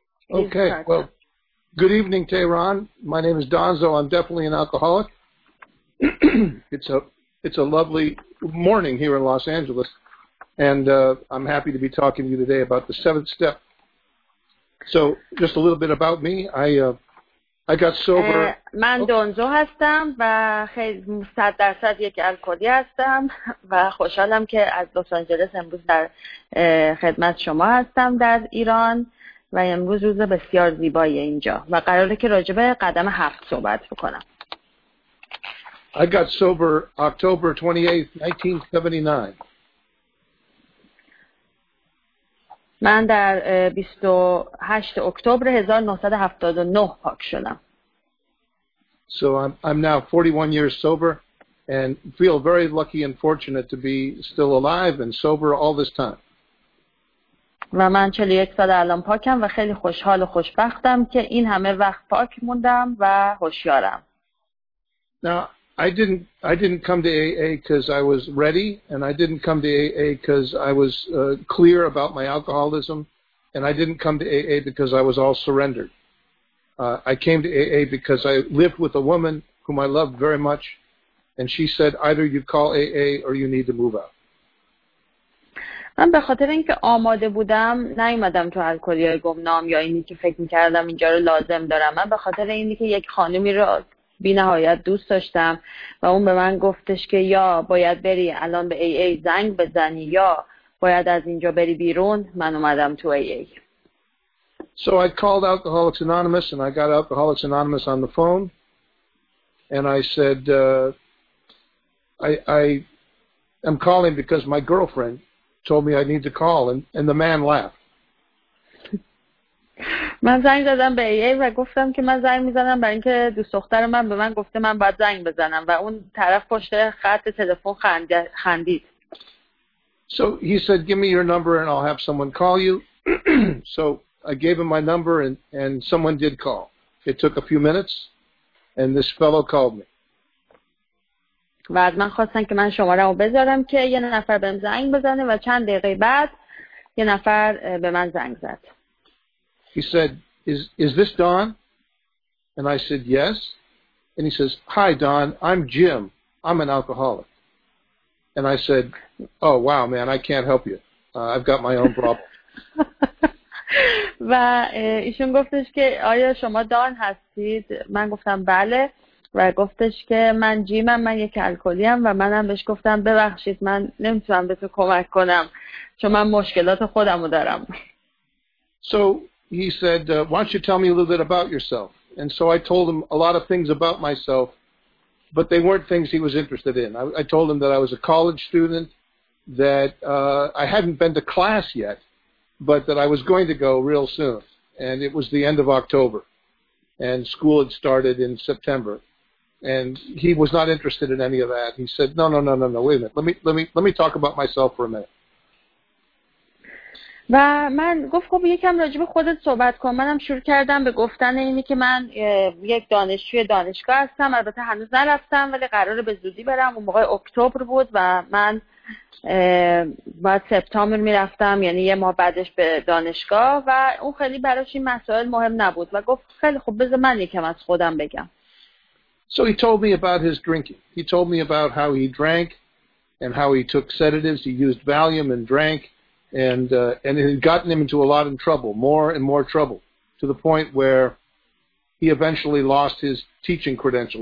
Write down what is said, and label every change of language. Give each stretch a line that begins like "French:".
English: Okay, well, good evening, Tehran. My name is Donzo. I'm definitely an alcoholic. It's a lovely morning here in Los Angeles, and I'm happy to be talking to you today about the seventh step. So, just a little bit about me. I got sober.
Persian: من دونزو هستم و خیلی 100 درصد یک الکلی هستم و خوشحالم که از لس آنجلس امروز در خدمت شما هستم در ایران و امروز روز بسیار زیبایی اینجا و قراره که راجع به قدم 7 صحبت بکنم.
English: I got sober October 28th, 1979.
Persian: من در 28 اکتبر 1979 پاک شدم.
English: So I'm now 41 years sober and feel very lucky and fortunate to be still alive and sober all this time.
Persian: و من 41 سال الان پاکم و خیلی خوشحال و خوشبختم که این همه وقت پاک موندم و هوشیارم.
English: Now I didn't come to AA because I was ready, and I didn't come to AA because I was clear about my alcoholism, and I didn't come to AA because I was all surrendered. I came to AA because I lived with a woman whom I loved very much, and she said, either you call AA or you need to move out.
Persian: من به خاطر اینکه آماده بودم نیومدم تو الکلی‌های گمنام یا اینی که فکر می‌کردم اینجا رو لازم دارم. من به خاطر اینی که یک خانمی رو بی نهایت دوست داشتم و اون به من گفتش که یا باید بری الان به AA زنگ بزنی یا باید از اینجا بری بیرون، من اومدم تو AA.
English: So I called Alcoholics Anonymous and I got Alcoholics Anonymous on the phone and I said I am calling because my girlfriend told me I need to call and the man laughed.
Persian: من زنگ زدم به AA و گفتم که من زنگ میزنم برای اینکه دوست دختر من به من گفته من باید زنگ بزنم و اون طرف پشت خط تلفن خندید.
English: So he said give me your number and I'll have someone call you. So I gave him my number and someone did call. It took a few minutes and this fellow called me.
Persian: و از من خواستن که من شماره رو بذارم که یه نفر بهم زنگ بزنه و چند دقیقه بعد یه نفر به من زنگ زد.
English: He said, is this Don? And I said, yes. And he says, hi, Don, I'm Jim. I'm an alcoholic. And I said, oh, wow, man, I can't help you. I've got my own problem.
Persian: و ایشون گفتش که آیا شما دان هستید؟ من گفتم بله. و گفتش که من جیمم، من یک الکلیم و منم بهش گفتم ببخشید من نمیتونم به تو کمک کنم چون من مشکلات خودم رو دارم.
English: So he said, why don't you tell me a little bit about yourself? And so I told him a lot of things about myself, but they weren't things he was interested in. I told him that I was a college student, that I hadn't been to class yet, but that I was going to go real soon. And it was the end of October, and school had started in September. And he was not interested in any of that. He said, no, wait a minute. Let me talk about myself for a minute.
Persian: و من گفت خب یکم راجع به خودت صحبت کن. منم شروع کردم به گفتن اینی که من یک دانشجوی دانشگاه هستم، البته هنوز نرفتم ولی قراره به زودی برم. اون موقع اکتبر بود و من بعد سپتامبر میرفتم، یعنی یه ماه بعدش به دانشگاه، و اون خیلی براش این مسائل مهم نبود و گفت خیلی خب بذار من یکم از خودم بگم.
English: So he told me about his drinking. He told me about how he drank and how he took sedatives. He used Valium and drank. And it had gotten him into a lot of trouble, more and more trouble, to the point where he eventually lost his teaching credential.